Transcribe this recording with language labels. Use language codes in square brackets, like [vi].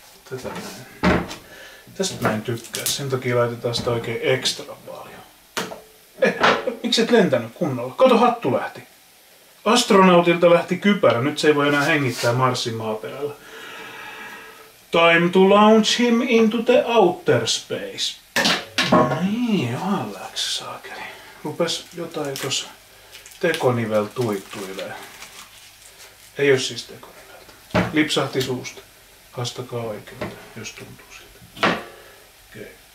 [fi] Tätä mä en. Tästä mä en tykkää. Sen takia laitetaan sitä oikein ekstra paljon. Miksi et lentänyt kunnolla? Kato, hattu lähti. Astronautilta lähti kypärä. Nyt se ei voi enää hengittää Marsin maaperällä. [en] Time to launch him into the outer space. [fi] Niin, johan läksä saakeli. Rupes jotain tuossa tekonivel tuittuilee. Ei oo siis tekoniveltä. Lipsahti suusta. Haastakaa oikeuteen, jos tuntuu siltä. Okei.